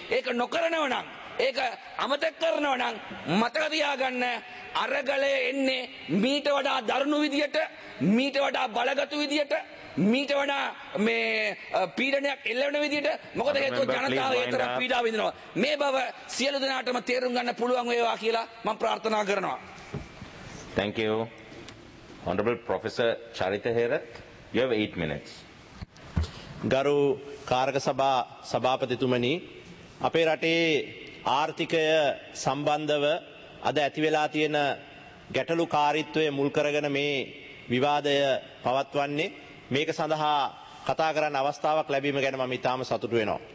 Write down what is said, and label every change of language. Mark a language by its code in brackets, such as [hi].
[si] ඒක නොකරනව නම්, ඒක අමතක කරනව නම් මතක තියාගන්න අරගලය එන්නේ මීට වඩා දරුණු විදියට, මීට වඩා බලගතු විදියට, මීට වඩා මේ පීඩනයක් එල්ලවෙන විදිහට. මොකද හේතුව ජනතාව ඒතර පීඩා විඳිනවා. මේ බව සියලු දෙනාටම තේරුම් ගන්න පුළුවන් වේවා කියලා මම ප්‍රාර්ථනා කරනවා. [en] Thank you. Honorable Professor Charitha Herat, you have 8 minutes. [si] ගරු කාර්ක සභා සභාපතිතුමනි, අපේ රටේ ආර්ථිකය සම්බන්ධව අද ඇති වෙලා තියෙන ගැටලුකාරීත්වය මුල් කරගෙන මේ විවාදය පවත්වන්නේ. මේක සඳහා කතා කරන්න අවස්ථාවක් ලැබීම ගැන මම ඉතාම සතුටු වෙනවා.